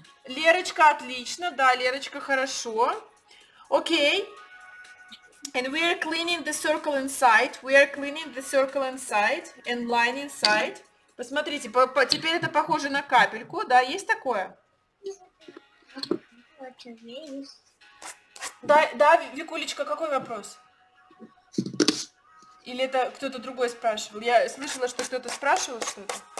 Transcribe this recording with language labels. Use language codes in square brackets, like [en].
[ru] Лерочка, отлично, да, Лерочка, хорошо. Окей. [en] And we are cleaning the circle inside. We are cleaning the circle inside and line inside. [ru] Посмотрите, теперь это похоже на капельку, да? Есть такое? Да, да, Викулечка, какой вопрос? Или это кто-то другой спрашивал? Я слышала, что кто-то спрашивал что-то.